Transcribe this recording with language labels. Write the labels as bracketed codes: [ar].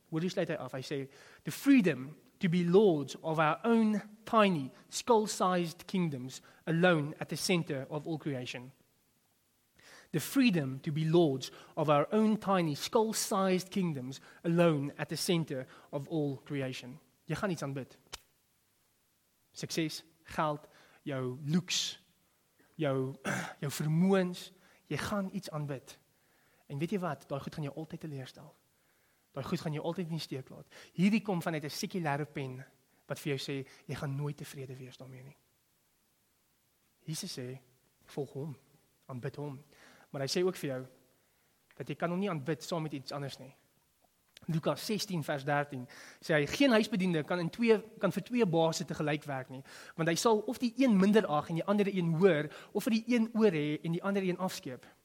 [en] We'll just let that off. I say, the freedom to be lords of our own tiny, skull-sized kingdoms alone at the center of all creation. The freedom to be lords of our own tiny, skull-sized kingdoms alone at the center of all creation. [af] Jy gaan iets aanbid. Sukses, geld, jou looks, jou vermoëns, jy gaan iets aanbid. En weet jy wat, daai goed gaan jou altyd teleurstel. Daai goed gaan jou altyd in die steek laat. Hierdie kom vanuit 'n sekulêre pen, wat vir jou sê, jy gaan nooit tevrede wees daarmee nie. Jesus sê, volg hom, aanbid hom. Maar hy sê ook vir jou, dat jy kan hom nie aanbid saam met iets anders nie. Lukas 16 vers 13 sê hy, geen huisbediende kan vir twee baase tegelijk werk nie, want hy sal of die een minder ag en die andere een hoor, of vir die een oor hê en die andere een afskeep.